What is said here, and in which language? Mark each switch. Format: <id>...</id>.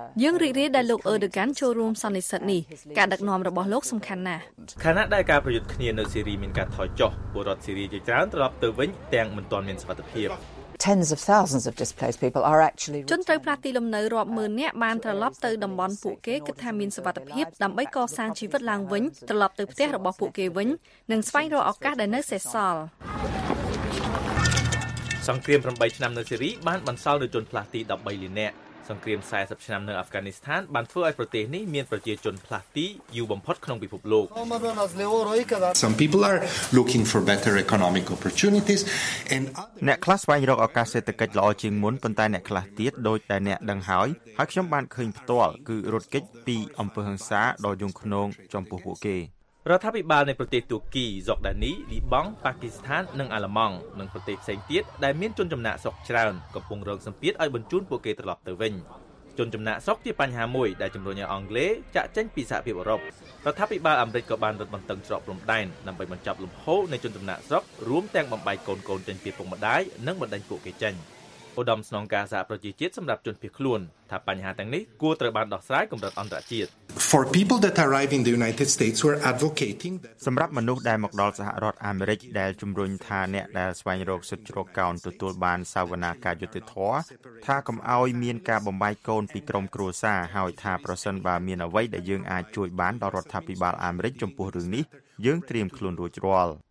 <km>យើងរីករាយដែលលោកអឺដូកានចូលរួមសន្និសីទនេះការដឹកនាំរបស់លោកសំខាន់ណាស់ខណៈដែលការប្រយុទ្ធគ្នានៅស៊េរីមានការថយចុះពលរដ្ឋស៊េរីជាច្រើនត្រឡប់ទៅវិញទាំងមិនទាន់មានសុខភាព</km> <en>Tens of thousands of displaced people are actually</en> <km>ជនត្រូវផ្លាស់ទីលំនៅរាប់ម៉ឺននាក់បានត្រឡប់ទៅតំបន់ពួកគេគិតថាមានសុខភាពដើម្បីកសាងជីវិតឡើងវិញត្រឡប់ទៅផ្ទះរបស់ពួកគេវិញនិងស្វែងរកឱកាសដែលនៅសេសសល់សង្គ្រាម8ឆ្នាំនៅស៊េរីបានបន្សល់នូវជនផ្លាស់ទី13លាននាក់សង្គ្រាម40ឆ្នាំនៅអាហ្វហ្គានីស្ថានបានធ្វើឲ្យប្រទេសនេះមានប្រជាជនផ្លាស់ទីយូរបំផុតក្នុងពិភពលោក</km> <en>Some people are looking for better economic opportunities and</en> <km>អ្នកខ្លះស្វែងរកឱកាសសេដ្ឋកិច្ចល្អជាងមុនប៉ុន្តែអ្នកខ្លះទៀតដូចតែអ្នកដឹងហើយហើយខ្ញុំបានឃើញផ្ទាល់គឺរត់គេចពីអំពើហិង្សាដល់យងខ្នងចំពោះពួកគេ រដ្ឋាភិបាលនៃប្រទេសទួរគីសូដានីលីបង់ប៉ាគីស្ថាននិងអាល្លឺម៉ង់និងប្រទេសផ្សេងទៀតដែលមានជនចំណាកស្រុកច្រើនកំពុងរងសម្ពាធឲ្យបញ្ជូនពួកគេត្រឡប់ទៅវិញជនចំណាកស្រុកជាបញ្ហាមួយដែលជំរុញឲ្យអង់គ្លេសចាក់ចេញពីសហភាពអឺរ៉ុបរដ្ឋាភិបាលអាមេរិកក៏បានរឹតបន្តឹងច្រកព្រំដែនដើម្បីបញ្ចប់លំហូរនៃជនចំណាកស្រុករួមទាំងបំបីកូនកូនចេញពីពុកម្ដាយនិងបណ្ដាញពួកគេចេញឧត្តមស្នងការសហប្រជាជាតិសម្រាប់ជនភៀសខ្លួនថាបញ្ហាទាំងនេះគួរត្រូវបានដោះស្រាយកម្រិតអន្តរជាតិ</km> <en>For people that arrive in the United States who are advocating that</en> <km>សម្រាប់មនុស្សដែលមកដល់សហរដ្ឋអាមេរិកដែលជំរុញថាអ្នកដែលស្វែងរកសិទ្ធិជ្រកកោនទទួលបានសវនាការយុត្តិធម៌ថាកុំឲ្យមានការបំបែកកូនពីក្រុមគ្រួសារហើយថាប្រសិនបើមានអ្វីដែលយើងអាចជួយបានដល់រដ្ឋាភិបាលអាមេរិកចំពោះរឿងនេះយើងត្រៀមខ្លួនរួចរាល់</km>